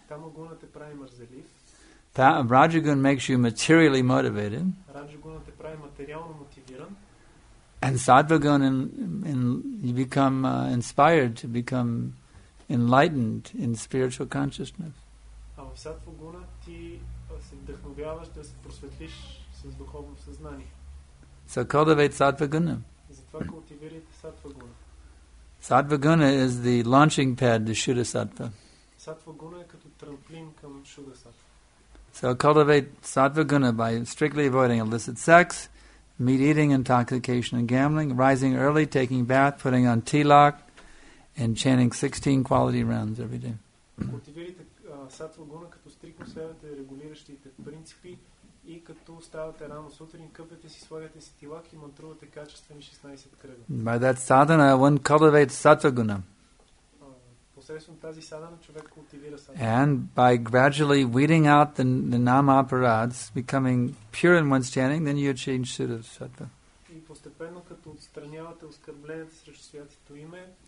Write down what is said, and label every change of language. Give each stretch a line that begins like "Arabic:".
Bulgarian: Tamaguna te pravi mrzeliv.
English: Rajaguna makes you materially motivated.
Bulgarian: Rajaguna te pravi materialno motiviran.
English: And sattvaguna, you become inspired to become enlightened in spiritual consciousness.
Bulgarian: А в сатвагуна ти се вдъхновяваш да се просветлиш с духовно съзнание.
English: So cultivate sattvaguna.
Bulgarian: Затова култивирайте сатвагуна.
English: Sattvaguna is the launching pad to Shuddha Sattva.
Bulgarian: Sattvaguna е като трамплин към Shuddha Sattva.
English: So cultivate sattvaguna by strictly avoiding illicit sex, meat eating, intoxication and gambling, rising early, taking bath, putting on tilak, and chanting 16 quality rounds every day.
Bulgarian: Култивирайте сатвагуна като стриктно следвате регулиращите принципи и като ставате рано сутрин, къпете си, слагате си тилак и мантрувате качествени 16 кръга.
English: By that sadhana one cultivates sattvaguna.
Bulgarian: Посредством тази садана човек култивира сатвагуна.
English: And by gradually weeding out the nama aparads, becoming pure in one's chanting, then you change shuddha sattva.
Bulgarian: И постепенно като отстранявате оскърбленията срещу святото име,